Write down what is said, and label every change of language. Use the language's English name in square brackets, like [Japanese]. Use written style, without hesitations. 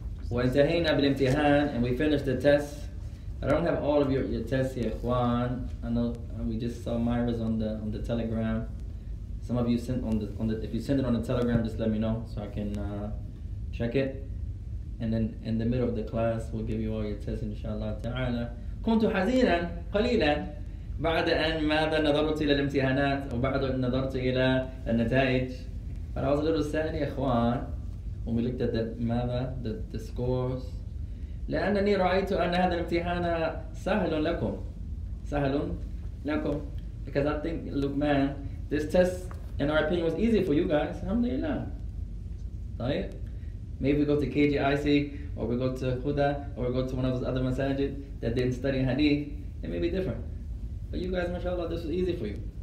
[Arabic] وَانْتَهَيْنَا بِالْإِمْتِهَانِ, [English] and we finished the test. I don't have all of your tests here, إخوان. I know we just saw Myra's on the telegram. Some of you sent on the if you send it on the telegram, just let me know so I can check it. And then in the middle of the class, we'll give you all your tests, inshallah ta'ala. [Arabic] كنت حزينا قليلا بعد أن ماذا نظرت إلى الامتحانات وبعد أن نظرت إلى النتائج. [English] But I was a little sad, إخوان, when we looked at the scores. [Arabic] لأنني رأيت أن هذا الامتحان سهل لكم. سهل لكم. [English] Because I think, look, man, this test, in our opinion, was easy for you guys. Alhamdulillah. Right? Maybe we go to KGIC, or we go to Huda, or we go to one of those other masajid that didn't study hadith, it may be different. But you guys, mashallah, this was easy for you.